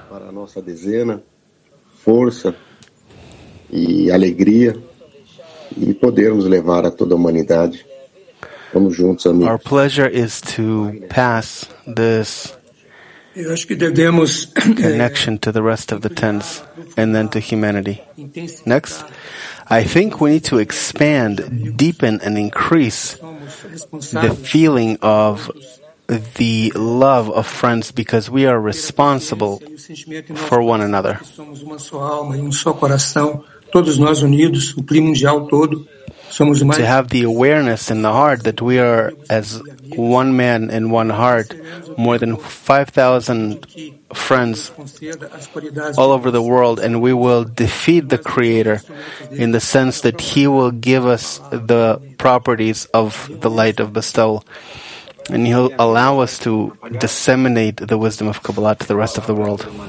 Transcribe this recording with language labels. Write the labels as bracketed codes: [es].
[pt] para nossa dezena, força e alegria, e podermos levar a toda a humanidade. Vamos juntos, amigos. [en] Our pleasure is to pass this connection to the rest of the tents and then to humanity. Next. I think we need to expand, deepen, and increase the feeling of the love of friends, because we are responsible for one another. [pt] Somos uma só alma e um só coração, todos nós unidos, o clima mundial todo. [en] To have the awareness in the heart that we are as one man and one heart, more than 5,000 friends all over the world, and we will defeat the Creator in the sense that He will give us the properties of the light of bestowal, and He'll allow us to disseminate the wisdom of Kabbalah to the rest of the world.